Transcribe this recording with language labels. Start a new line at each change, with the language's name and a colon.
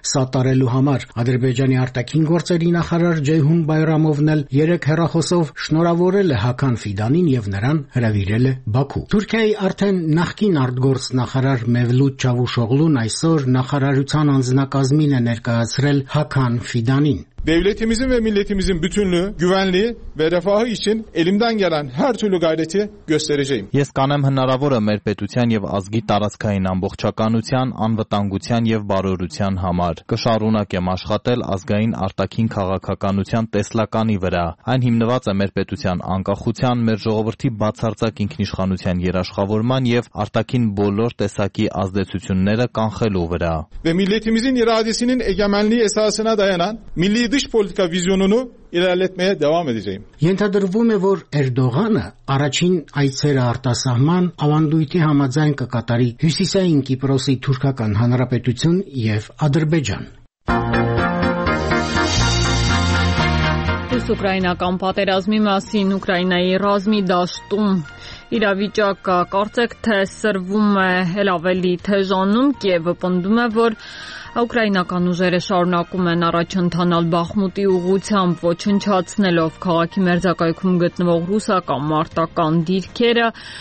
Armenian: սատարելու համար։ Ադրբեջանի արտաքին գործերի նախարար Ջեյհուն Բայրամովն էլ երեք հեռախոսով շնորավորել է Հական Ֆիդանին և նրան հրավիրել է Բաքու։ Թուրքիայի արդեն նախկին արտգործ նախարար Մևլութ Չավուշօղլուն այսօր նախարարության անձնակազմին է ներկայացրել Հական Ֆիդանին։
Turkish: Devletimizin ve milletimizin bütünlüğü, güvenliği ve refahı için elimden gelen her türlü gayreti göstereceğim.
Armenian: Ես կանեմ հնարավորը մեր պետության և ազգի տարածքային ամբողջականության, անվտանգության և բարօրության համար։ Կշարունակեմ աշխատել ազգային արտաքին քաղաքականության տեսլականի վրա։ Այն հիմնված է մեր պետության անկախության, մեր ժողովրդի բացարձակ ինքնիշխանության երաշխավորման և արտաքին բոլոր տեսակի ազդեցությունները կանխելու վրա։
Turkish: Ve milletimizin iradesinin egemenliği esasına dayanan milli dış politika vizyonunu ilerletmeye devam edeceğim.
Armenian: Ենթադրվում է, որ Էրդողանը առաջին այցերը արտասահման ավանդույթի համաձայն կկատարի Հյուսիսային Կիպրոսի Թուրքական Հանրապետություն և Ադրբեջան։ Ուկրաինական պատերազմի մասին Ուկրաինայի ռազմիդաշտում իրավիճակը կարծեք թե սրվում է հելավելի թեժանում, Կիևը պնդում է, որ ուկրաինական ուժերը շարունակում են առաջընթանալ Բախմուտի ուղությամբ, ոչնչացնելով քաղաքի մերձակայքում գտնվող ռուսական մարտական դիրքերը։